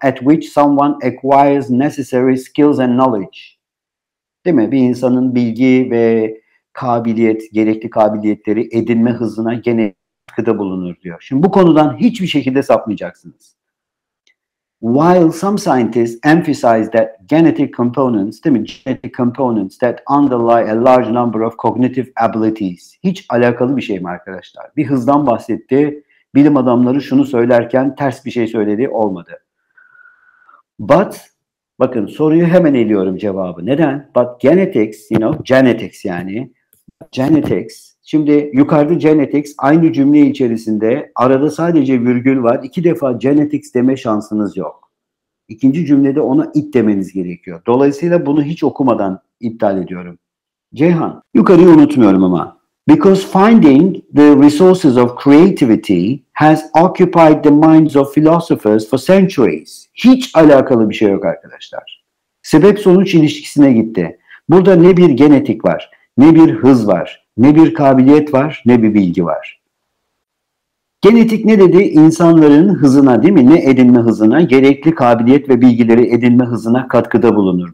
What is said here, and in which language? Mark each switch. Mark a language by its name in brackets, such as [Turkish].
[English] At which someone acquires necessary skills and knowledge. [Turkish] Değil mi? Bir insanın bilgi ve kabiliyet, gerekli kabiliyetleri edinme hızına genetikte bulunur diyor. Şimdi bu konudan hiçbir şekilde sapmayacaksınız. [English] While some scientists emphasize that genetic components, [Turkish] değil mi? [English] Genetic components that underlie a large number of cognitive abilities. [Turkish] Hiç alakalı bir şey mi arkadaşlar? Bir hızdan bahsetti. Bilim adamları şunu söylerken ters bir şey söyledi. Olmadı. [English] But [Turkish] bakın soruyu hemen eliyorum cevabı. Neden? [English] But genetics, you know, genetics [Turkish] yani. [English] Genetics. [Turkish] Şimdi yukarıda genetics aynı cümle içerisinde arada sadece virgül var. İki defa genetics deme şansınız yok. İkinci cümlede ona it demeniz gerekiyor. Dolayısıyla bunu hiç okumadan iptal ediyorum. Ceyhan, yukarıyı unutmuyorum ama. [English] Because finding the resources of creativity has occupied the minds of philosophers for centuries. [Turkish] Hiç alakalı bir şey yok arkadaşlar. Sebep-sonuç ilişkisine gitti. Burada ne bir genetik var, ne bir hız var, ne bir kabiliyet var, ne bir bilgi var. Genetik ne dedi? İnsanların hızına değil mi? Ne edinme hızına? Gerekli kabiliyet ve bilgileri edinme hızına katkıda bulunur.